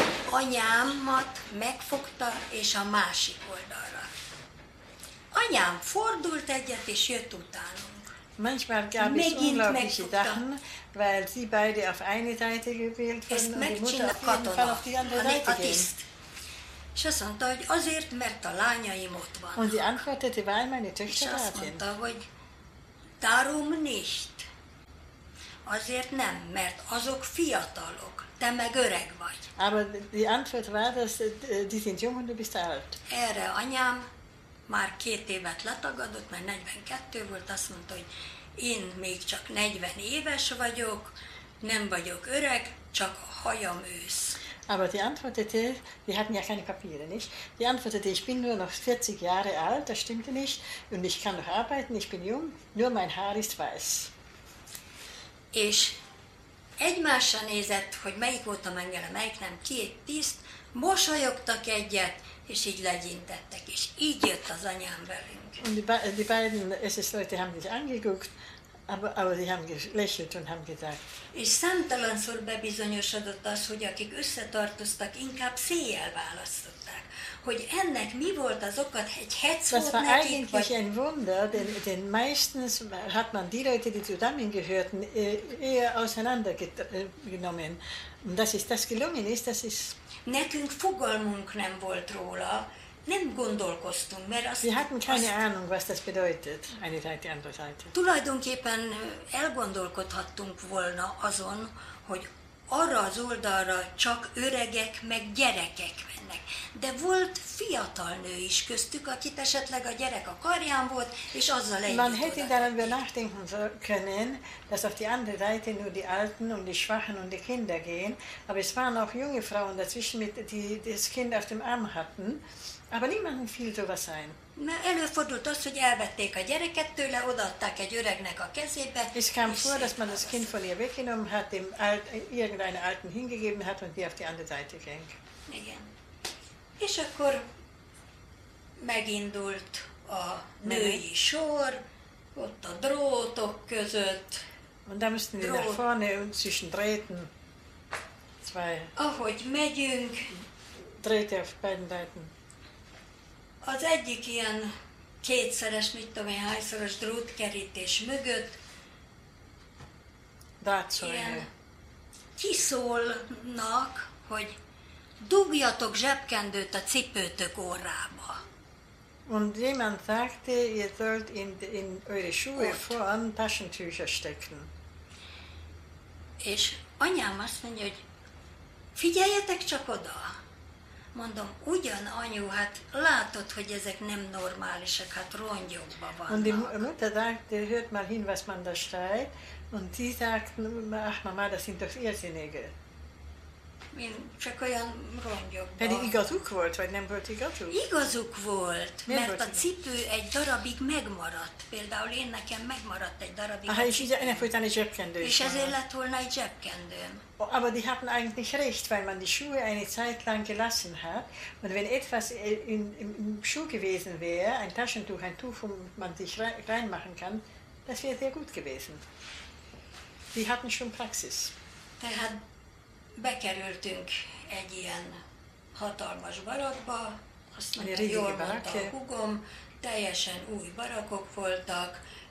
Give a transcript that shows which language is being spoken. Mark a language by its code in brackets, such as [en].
[hu] Anyámat megfogta, és a másik oldalra. Anyám fordult egyet, és jött utánunk. [de] Manchmal gab es unglaubliche Sachen, weil sie beide auf eine Seite gewählt wurden und die Mutter auf die andere Seite ging. [hu] És azt mondta, hogy azért, mert a lányaim ott vannak. [de] Und sie antwortete, weil meine Töchter da sind. [hu] És azt mondta, hogy [de] darum nicht. [hu] Azért nem, mert azok fiatalok. Te meg öreg vagy. [de] Aber die Antwort war, dass die sind jung und du bist alt. [hu] Erre anyám már két évet letagadott, mert 42 volt, azt mondta, hogy én még csak 40 éves vagyok, nem vagyok öreg, csak a hajam ősz. [de] Aber die antwortete, die hatten ja keine Papiere, nicht? Die antwortete, ich bin nur noch 40 Jahre alt, das stimmte nicht, und ich kann noch arbeiten, ich bin jung, nur mein Haar ist weiß. [hu] És egymásra nézett, hogy melyik volt a mengele, melyik nem, két tiszt, mosolyogtak egyet, és így legyintettek, és így jött az anyám velünk. [de] Und die beiden SS-Leute haben sich angeguckt, aber die haben gelächelt und haben gesagt. [hu] És számtalanszor bebizonyosodott az, hogy akik összetartoztak, inkább széjjel választották. Hogy ennek mi volt az oka, egy hetz volt nekik, vagy... [de] Das war eigentlich ein Wunder, denn meistens hat man die Leute, die zusammengehörten, eher auseinandergenommen. Und dass ist das gelungen ist, das ist... [hu] Nekünk fogalmunk nem volt róla, nem gondolkoztunk, mert azt... [de] Wir hatten keine Ahnung, was das bedeutet, eine Seite, andere Seite. [hu] Tulajdonképpen elgondolkodhattunk volna azon, hogy arra az oldalra csak öregek meg gyerekek mennek. De volt fiatal nő is köztük, akit esetleg a gyerek a karján volt, és azzal együtt [de] Man hätte darüber nachdenken können, dass auf die andere Seite nur die Alten und die Schwachen und die Kinder gehen, aber es waren auch junge Frauen dazwischen, die das Kind auf dem Arm hatten, aber niemandem fiel sowas ein. [hu] Mert előfordult az, hogy elvették a gyereket tőle, odaadták egy öregnek a kezébe. [de] Es kam vor, dass man das Kind von ihr weggenommen hat, dem irgendeinen Alten hingegeben hat und die auf die andere Seite ging. [hu] Igen. És akkor megindult a női sor, ott a drótok között. [de] Und da müssten wir nach vorne und zwischen Drähten. Zwei. [hu] Ahogy megyünk. [de] Drähte auf beiden Seiten. [hu] Az egyik ilyen kétszeres, mit tudom én, hányszoros drótkerítés mögött ilyen kiszólnak, hogy dugjatok zsebkendőt a cipőtök orrába. [de] Und jemand sagte, ihr sollt in eure Schuhe vorn Taschentücher stecken. [hu] És anyám azt mondja, hogy figyeljetek csak oda. Mondom, ugyan anyu, hát látod, hogy ezek nem normálisak, hát rongyokban vannak. [de] Und die Mutter sagte, hört mal hin, was man da schreit. Und sie sagt, ach Mama, das sind doch Irrsinnige. [hu] Én csak olyan rongyokban. Pedig igazuk volt, vagy nem volt igazuk? Igazuk volt, mert a cipő egy darabig megmaradt. Például én nekem megmaradt egy darabig. Aha, és így ennek folytán egy zsebkendő is. És ezért lett volna egy zsebkendőm. [de] Aber die hatten eigentlich recht, weil man die Schuhe eine Zeit lang gelassen hat. Und wenn etwas im Schuh gewesen wäre, ein Taschentuch, ein Tuch, wo man sich reinmachen kann, das wäre sehr gut gewesen. Die hatten schon Praxis. [hu] Tehát bekerültünk egy ilyen hatalmas barakba, azt mondta, jól mondta a húgom, teljesen új barakok voltak,